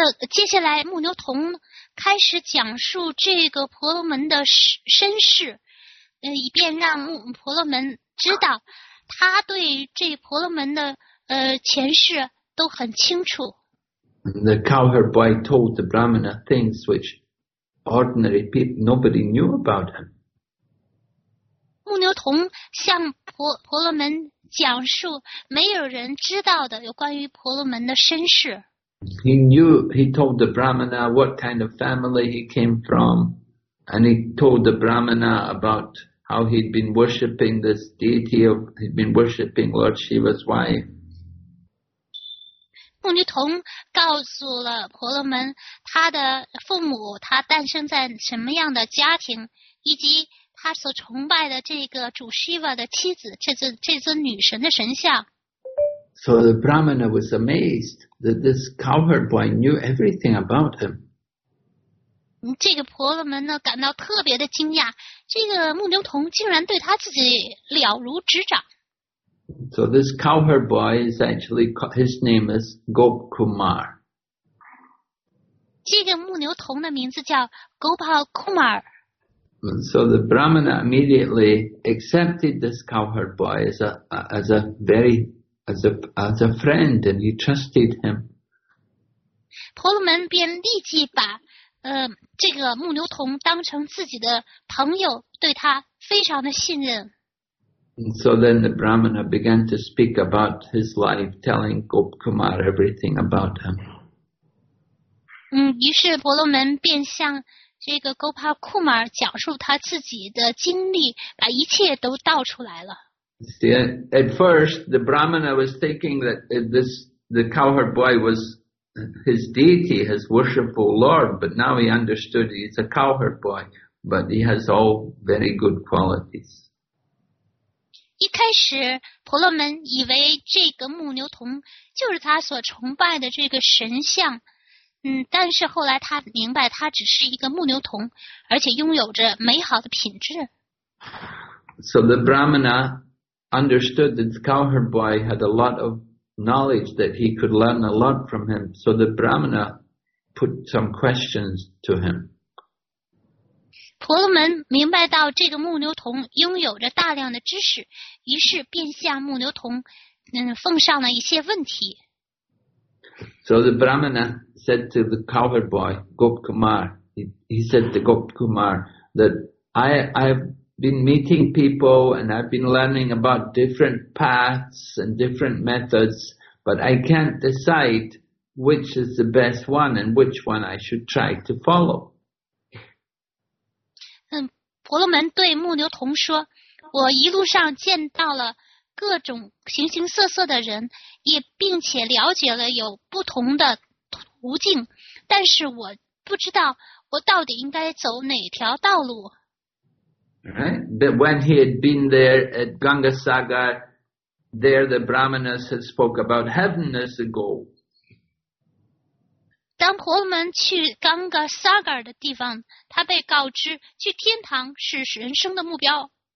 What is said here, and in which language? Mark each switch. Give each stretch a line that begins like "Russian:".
Chinese: 接下来牧牛童开始讲述这个婆罗门的身世。以便让婆罗门知道他对这婆罗门的前世都很清楚。
English: The cowherd boy told the Brahmana things which ordinary people, nobody knew about him.
Chinese: 牧牛童向婆罗门讲述没有人知道的有关于婆罗门的身世。
English: He told the Brahmana what kind of family he came from, and he told the Brahmana about how he'd been worshipping this deity of, he'd been worshipping Lord Shiva's wife.
Chinese: 牧牛童告诉了婆罗门他的父母，他诞生在什么样的家庭，以及他所崇拜的这个主 Shiva 的妻子，这尊女神的神像。
English: So the Brahmana was amazed that this cowherd boy knew everything about him.
Chinese: 这个婆罗门呢感到特别的惊讶，这个牧牛童竟然对他自己了如指掌。
English: So this cowherd boy is actually, his name is Gop Kumar.
Chinese: 这个牧牛童的名字叫 Gopal Kumar.
English: So the Brahmana immediately accepted this cowherd boy as a friend, and he trusted him.
Chinese: 婆罗门便立即把这个牧牛童当成自己的朋友，对他非常的信任。
English: So then the Brahmana began to speak about his life, telling Gop Kumar everything about him.
Chinese: 于是婆罗门便向这个 Gopal Kumar 讲述他自己的经历，把一切都道出来了。
English: See, at first, the Brahmana was thinking that the cowherd boy was his deity, his worshipful lord, but now he understood he's a cowherd boy, but he has all very good qualities.
Chinese: 一开始婆罗门以为这个牧牛童就是他所崇拜的这个神像，但是后来他明白他只是一个牧牛童，而且拥有着美好的品质。
English: So the Brahmana understood that the cowherd boy had a lot of knowledge that he could learn a lot from him. So the Brahmana put some questions to him.
Chinese: 婆罗门明白到这个牧牛童拥有着大量的知识，于是便向牧牛童奉上了一些问题。
English: So the Brahmana said to the cowherd boy, Gop Kumar, he said to Gop Kumar that I've been meeting people and I've been learning about different paths and different methods, but I can't decide which is the best one and which one I should try to follow.
Chinese: 婆罗门对牧牛童说，我一路上见到了各种形形色色的人，也并且了解了有不同的途径，但是我不知道我到底应该走哪条道路。
English: Right, but when he had been there at Ganga Sagar, there the Brahmanas had spoke about heaven as a goal.
Chinese: 当婆罗门去 Ganga Sagar 的地方，他被告知去天堂是人生的目标。